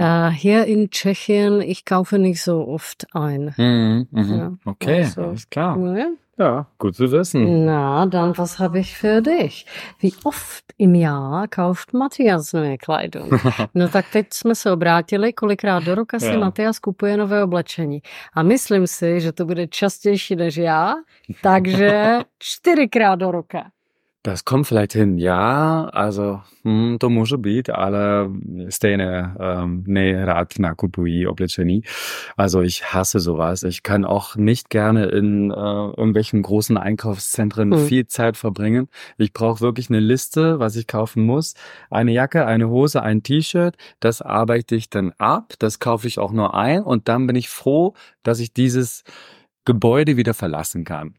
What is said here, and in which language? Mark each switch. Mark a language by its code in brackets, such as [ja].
[de] Hier in Tschechien, ich kaufe nicht so oft ein. Alles klar. Ja, gut zu wissen. Na, dann was habe ich für dich? Wie oft im Jahr kauft Matthias neue Kleidung? [cs] No tak teď jsme se obrátili, kolikrát do roka si Matthias kupuje nové oblečení. A myslím si, že to bude častější než já, takže 4x do roka. [de] Das kommt vielleicht hin, ja, also [cs] to může být, ale stejné nerad nakupují oblečení. [de] Also ich hasse sowas. Ich kann auch nicht gerne in irgendwelchen großen Einkaufszentren viel Zeit verbringen. Ich brauche wirklich eine Liste, was ich kaufen muss. Eine Jacke, eine Hose, ein T-Shirt, das arbeite ich dann ab. Das kaufe ich auch nur ein und dann bin ich froh, dass ich dieses Gebäude wieder verlassen kann.